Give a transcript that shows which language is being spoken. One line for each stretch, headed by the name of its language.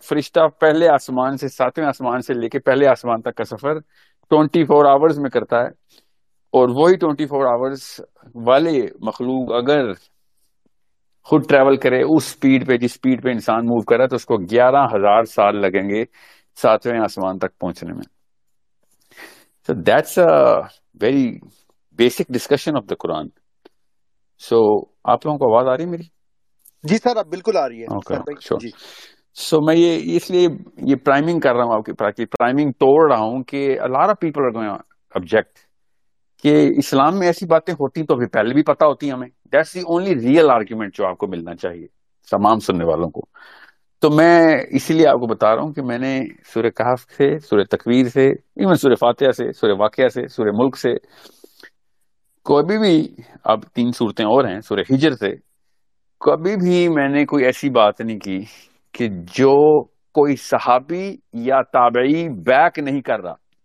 Urdu: فرشتہ پہلے آسمان سے, ساتویں آسمان سے لے کے پہلے آسمان تک کا سفر 24 آورز میں کرتا ہے. اور وہی 24 آورز والے مخلوق اگر خود ٹریول کرے اس سپیڈ پہ جس سپیڈ پہ انسان موو کرا, تو اس کو 11,000 سال لگیں گے ساتویں آسمان تک پہنچنے میں.
English: So that's a very basic discussion of the Quran.
Urdu: سو آپ لوگوں کو آواز آ رہی ہے میری؟ جی سر, اب بالکل آ رہی ہے. سو میں یہ اس لیے یہ پرائمنگ کر رہا ہوں, آپ کی پرائمنگ توڑ رہا ہوں کہ الارا پیپل آبجیکٹ کہ اسلام میں ایسی باتیں ہوتی تو ابھی پہلے بھی پتا ہوتی ہمیں.
English: that's the only real argument
Urdu: جو آپ کو ملنا چاہیے تمام سننے والوں کو. تو میں اسی لیے آپ کو بتا رہا ہوں کہ میں نے سورہ کہف سے, سورہ تکویر سے, ایون سورہ فاتحہ سے, سورہ واقعہ سے, سورہ ملک سے, کبھی بھی, اب 3 سورتیں اور ہیں سورہ ہجر سے, کبھی بھی میں نے کوئی ایسی بات نہیں کی کہ جو کوئی صحابی یا تابعی بیک نہیں کر رہا.